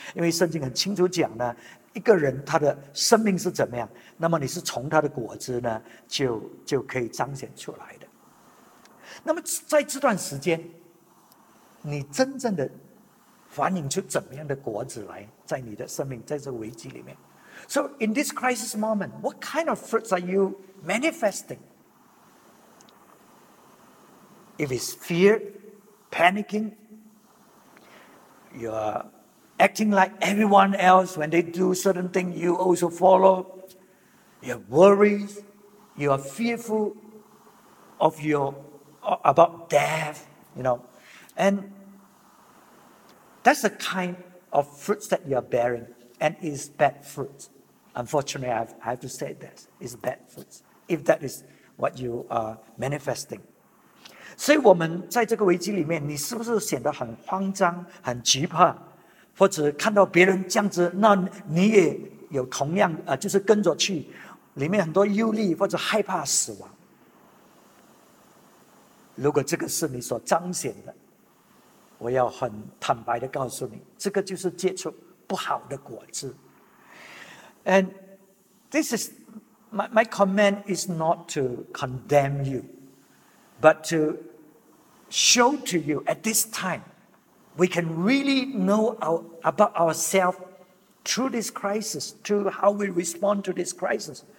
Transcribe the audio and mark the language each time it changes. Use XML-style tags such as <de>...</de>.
<zh>因为圣经很清楚讲呢，一个人他的生命是怎么样，那么你是从他的果子呢，就可以彰显出来的。那么在这段时间，你真正的反映出怎么样的果子来，在你的生命，在这危机里面。</zh> <en>So in this crisis moment, what kind of fruits are you manifesting? If it's fear, panicking, you are acting like everyone else when they do certain things, you also follow. You have worries, you are fearful of about death, you know, and. That's the kind of fruits that you are bearing, and is bad fruit. Unfortunately, I have to say that it's bad fruit, if that is what you are manifesting.</en> <zh>所以我们在这个危机里面，你是不是显得很慌张、很惧怕，或者看到别人这样子，那你也有同样就是跟着去，里面很多忧虑或者害怕死亡。如果这个是你所彰显的，我要很坦白地告诉你，这个就是结出不好的果子。</zh> <en>And this is, my command is not to condemn you, but to show to you at this time, we can really know about ourselves through this crisis, through how we respond to this crisis.</en>